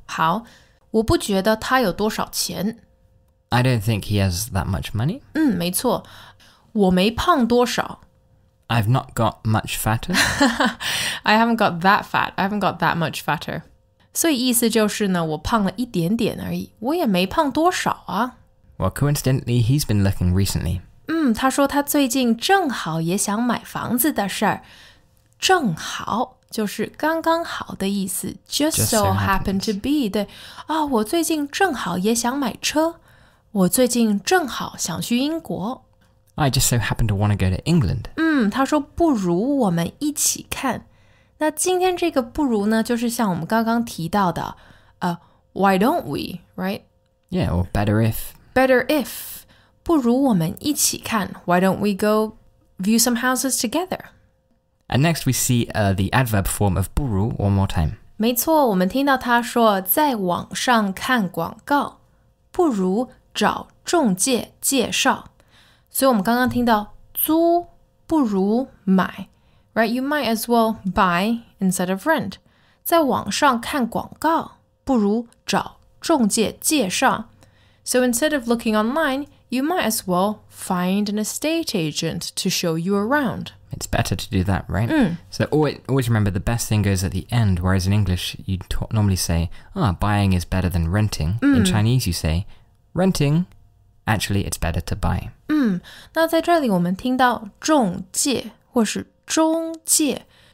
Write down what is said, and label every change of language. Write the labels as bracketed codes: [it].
[zh] 好,我不觉得他有多少钱。 [en] I don't think he has that much money. [zh] 没错。我没胖多少。 [en] I've not got much fatter. I haven't got that fat. I haven't got that much fatter. [zh] 所以意思就是呢,我胖了一点点而已。我也没胖多少啊。 [en] Well, coincidentally, he's been looking recently. [zh] 他说他最近正好也想买房子的事儿。正好就是刚刚好的意思 [en] just so happen to be [zh] 对、哦、我最近正好也想买车我最近正好想去英国 [en] I just so happen to want to go to England [zh] 他说不如我们一起看那今天这个不如呢就是像我们刚刚提到的、 [en] Why don't we, right? Yeah, or better if Better if [zh] 不如我们一起看 [en] Why don't we go view some houses together And next, we see the adverb form of 不如 one more time. [zh] 没错，我们听到他说在网上看广告，不如找中介介绍。所以我们刚刚听到租不如买 ， [en] right? You might as well buy instead of rent. 在网上看广告，不如找中介介绍。 So instead of looking online, you might as well find an estate agent to show you around. It's better to do that, right? So always remember the best thing goes at the end, whereas in English, you'd normally say, buying is better than renting. In Chinese, you say, renting, actually, it's better to buy. [zh] 那在这里我们听到中介或是中介。